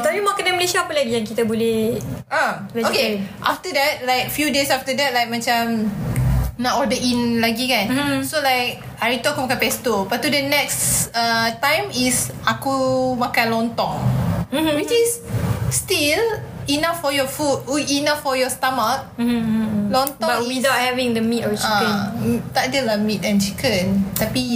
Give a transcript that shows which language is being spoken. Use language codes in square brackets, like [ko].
[ms] Tapi makanan Malaysia apa lagi yang kita boleh [en] Okay, after that, like few days after that, like [ms] macam nak order in lagi kan. [en] So like [ms] hari tu aku makan pesto, lepas tu [en] the next time is [ms] aku makan lontong. [en] Which is still enough for your food, enough for your stomach. [ms] Lontong [en] but without having the meat or chicken. [ms] Tak adalah [en] meat and chicken, [ms] tapi